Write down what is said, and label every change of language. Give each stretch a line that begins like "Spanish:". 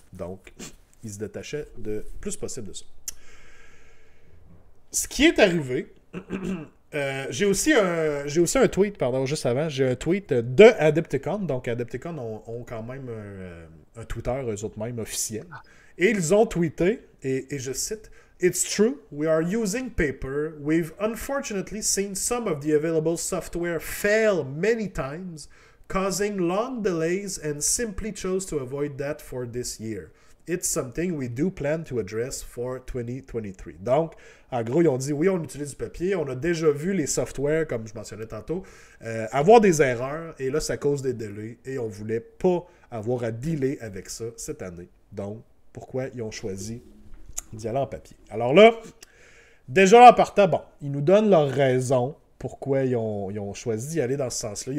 French: Donc, ils se détachaient de plus possible de ça. Ce qui est arrivé, j'ai aussi un tweet, pardon, juste avant, j'ai un tweet de Adepticon. Donc, Adepticon ont quand même un Twitter, eux autres même, officiel. Et ils ont tweeté, et je cite...
English: It's true, we are using paper. We've unfortunately seen some of the available software fail many times, causing long delays, and simply chose to avoid that for this year. It's something we do plan to address for 2023.
French: Donc, en gros, ils ont dit, oui, on utilise du papier. On a déjà vu les softwares, comme je mentionnais tantôt, avoir des erreurs, et là, ça cause des délais, et on ne voulait pas avoir à dealer avec ça cette année. Donc, pourquoi ils ont choisi d'y aller en papier. Alors là, déjà en partant, bon, ils nous donnent leur raison pourquoi ils ont choisi d'y aller dans ce sens-là.